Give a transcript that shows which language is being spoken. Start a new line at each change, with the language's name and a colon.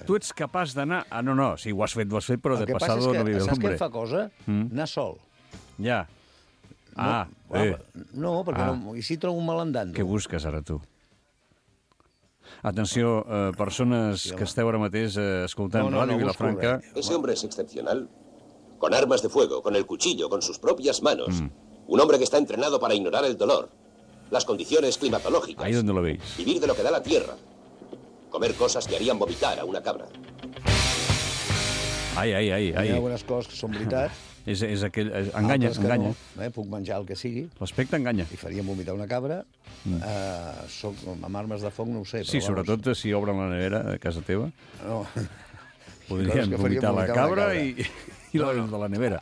Catalan: Tu ets capaç d'anar... Ah, no, sí, ho has fet, però de passada
Spanish: no vive l'hombre.
Catalan: Saps què fa cosa? Anar sol. Ja. Ah, no, no, perquè no... I si trobo un malandando? Què busques ara, tu? Atenció, persones que esteu ara mateix escoltant Ràdio Vilafranca...
Spanish: Ese hombre es excepcional. Con armas de fuego, con el cuchillo, con sus propias manos. Un hombre que está entrenado para ignorar el dolor. Las condiciones climatológicas. Ahí donde lo veis. Vivir de lo que da la tierra. Comer cosas que harían vomitar a una cabra. Ai.
Catalan: Hi ha algunes coses que són veritat. és aquell... Enganya, altres enganya. No, puc menjar el que sigui. L'aspecte enganya. I faríem vomitar una cabra. Soc amb armes de foc, no ho sé. Sí, sobretot si obren la nevera a casa teva. No. Podríem vomitar la cabra i l'obren de la nevera.